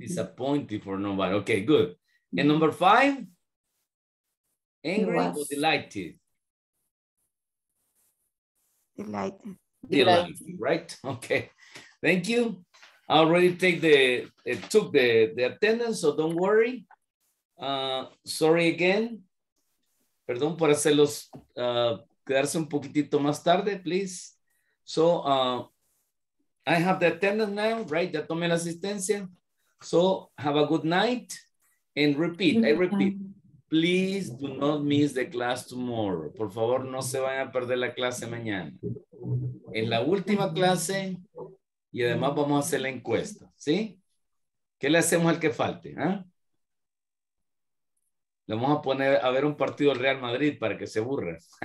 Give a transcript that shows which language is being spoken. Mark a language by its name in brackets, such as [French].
[English] Disappointed for nobody. Okay, good. And number five, angry or delighted? Delighted. Delighted. Delighted, right? Okay. Thank you. I already took the attendance, so don't worry. Sorry again. [Spanish] Perdón por hacerlos quedarse un poquitito más tarde, please. [English] So, I have the attendance now, right? [Spanish] Ya tomé la asistencia. [English] So, have a good night. And repeat, I repeat, please do not miss the class tomorrow. [Spanish] Por favor, no se vayan a perder la clase mañana. Es la última clase y además vamos a hacer la encuesta, ¿sí? ¿Qué le hacemos al que falte? Le vamos a poner a ver un partido del Real Madrid para que se aburra.